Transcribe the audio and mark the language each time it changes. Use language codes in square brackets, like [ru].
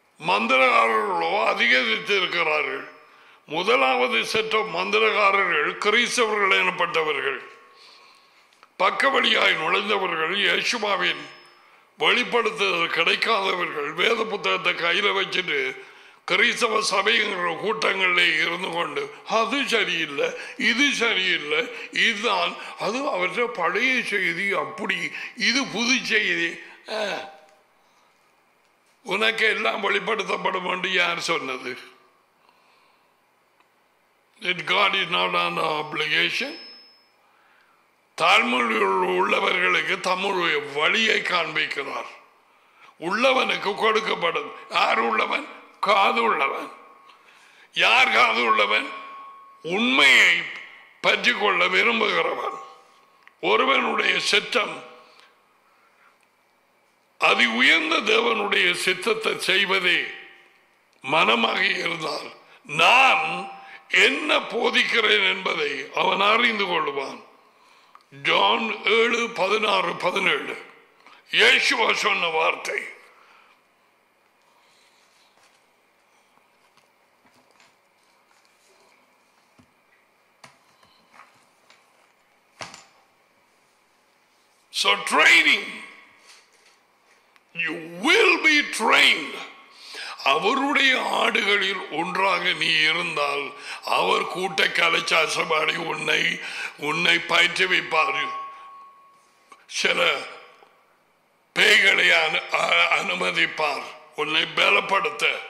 [ta] மந்திரகாரர்களோ அதிகரித்திருக்கிறார்கள். முதலாவது set of மந்திரகாரர்கள் கிறிஸ்தவர்கள் எனப்பட்டவர்கள், பக்க வழியாய் நுழைந்தவர்கள், யேசுமாவின் வெளிப்படுத்துதல் கிடைக்காதவர்கள், வேத புத்தகத்தை கையில வச்சுட்டு கிறிஸ்தவ சபைங்கிற கூட்டங்களே இருந்து கொண்டு அது சரியில்லை, இது சரியில்லை, இதுதான் அது, அவற்ற பழைய செய்தி அப்படி, இது புது செய்தி. உனக்கு எல்லாம் வெளிப்படுத்தப்படும் என்று யார் சொன்னது? [en] It God is not an obligation. [ta] தாழ்மொழியில் உள்ளவர்களுக்கு தம்முடைய வழியை காண்பிக்கிறார். உள்ளவனுக்கு கொடுக்கப்படும். யார் உள்ளவன்? காது உள்ளவன். யார் காது உள்ளவன்? உண்மையை பற்றிக்கொள்ள விரும்புகிறவன். ஒருவனுடைய சித்தம் அதி உயர்ந்த தேவனுடைய சித்தத்தை செய்வதே மனமாக இருந்தால் நான் என்ன போதிக்கிறேன் என்பதை அவன் அறிந்து கொள்வான். John 7:16-17 இயேசுவா சொன்ன வார்த்தை. [en] So training, you will be trained. [ta] அவருடைய ஆடுகளில் ஒன்றாக நீ இருந்தால் அவர் கூட்ட கலைச்சாசபாடி உன்னை பயிற்றுவிப்பார். சில பேய்களை அனுமதிப்பார், உன்னை பலப்படுத்த.